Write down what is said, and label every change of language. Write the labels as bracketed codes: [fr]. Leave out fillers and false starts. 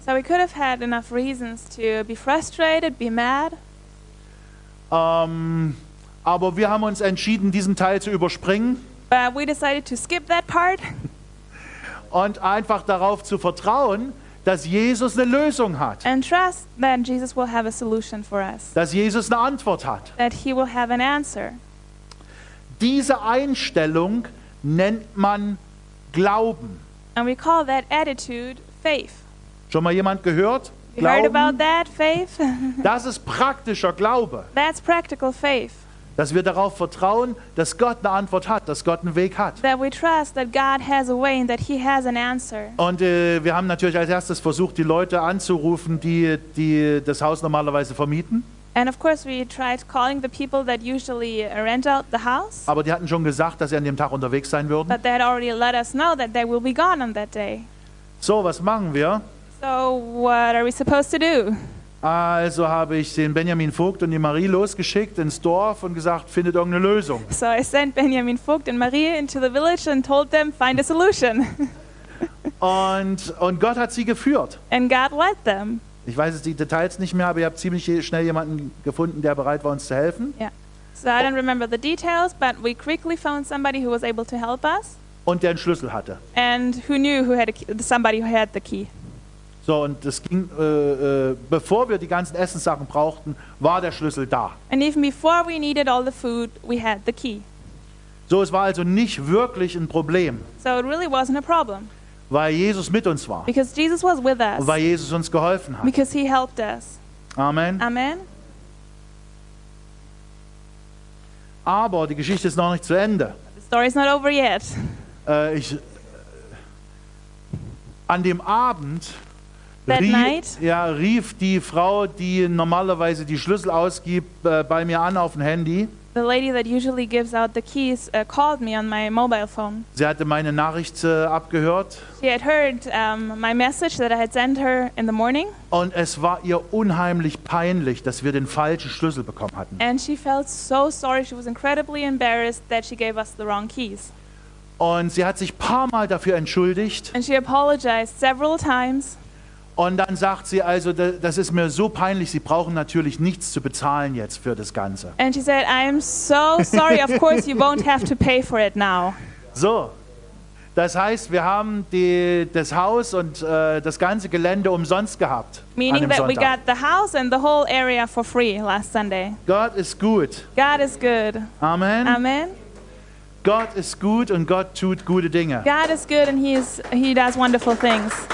[en] So we could have had enough reasons to be frustrated, be mad. [de] Aber wir haben uns entschieden, diesen Teil zu überspringen. [en] But we decided to skip that part. [de] Und einfach darauf zu vertrauen, dass Jesus eine Lösung hat. [en] And trust that Jesus will have a solution for us. [de] Dass Jesus eine Antwort hat. [en] That he will have an answer. [de] Diese Einstellung nennt man Glauben. [en] And we call that attitude faith. [de] Schon mal jemand gehört? [en] You heard about that, faith? [de] Das ist praktischer Glaube. [en] That's practical faith. [de] Dass wir darauf vertrauen, dass Gott eine Antwort hat, dass Gott einen Weg hat. [en] That we trust that God has a way and that he has an answer. [de] Und wir haben natürlich als erstes versucht, die Leute anzurufen, die das Haus normalerweise vermieten. [en] And of course we tried calling the people that usually rent out the house. [de] Aber die hatten schon gesagt, dass sie an dem Tag unterwegs sein würden. [en] But they had already let us know that they will be gone on that day. [de] So, was machen wir? [en] So, what are we supposed to do? [de] Also habe ich den Benjamin Vogt und die Marie losgeschickt ins Dorf und gesagt, findet irgendeine Lösung. [en] So I sent Benjamin Vogt and Marie into the village and told them, find a solution. [de] Und Gott hat sie geführt. [en] And God led them. [de] Ich weiß jetzt die Details nicht mehr, aber ihr habt ziemlich schnell jemanden gefunden, der bereit war, uns zu helfen. [en] Yeah. So I don't remember the details, but we quickly found somebody who was able to help us. [de] Und der einen Schlüssel hatte. [en] And who knew who had somebody who had the key. [de] So, und es ging, bevor wir die ganzen Essenssachen brauchten, war der Schlüssel da. [en] And even before we needed all the food, we had the key. [de] So, es war also nicht wirklich ein Problem. [en] So it really wasn't a problem. [de] Weil Jesus mit uns war. [en] Because Jesus was with us. [de] Und weil Jesus uns geholfen hat. [en] Because he helped us. Amen. Amen. [de] Aber die Geschichte ist noch nicht zu Ende. [en] The story is not over yet. [de] An dem Abend [en] that night? [de] Ja, rief die Frau, die normalerweise die Schlüssel ausgibt, bei mir an auf dem Handy. [en] The lady that usually gives out the keys called me on my mobile phone. [de] Sie hatte meine Nachricht abgehört. [en] She had heard my message that I had sent her in the morning. [de] Und es war ihr unheimlich peinlich, dass wir den falschen Schlüssel bekommen hatten. [en] And she felt so sorry. She was incredibly embarrassed that she gave us the wrong keys. [de] Und sie hat sich paar Mal dafür entschuldigt. [en] And she apologized several times. [de] Und dann sagt sie also, das ist mir so peinlich, Sie brauchen natürlich nichts zu bezahlen jetzt für das Ganze. [en] And she said, I'm so sorry, of course you won't have to pay for it now. [de] So, das heißt, wir haben das Haus und das ganze Gelände umsonst gehabt. [en] Meaning [de] an dem [en] that [de] Sonntag. [en] We got the house and the whole area for free last Sunday. God is good. God is good. Amen. Amen. [de] Gott ist gut und Gott tut gute Dinge. [en] God is good and he does wonderful things.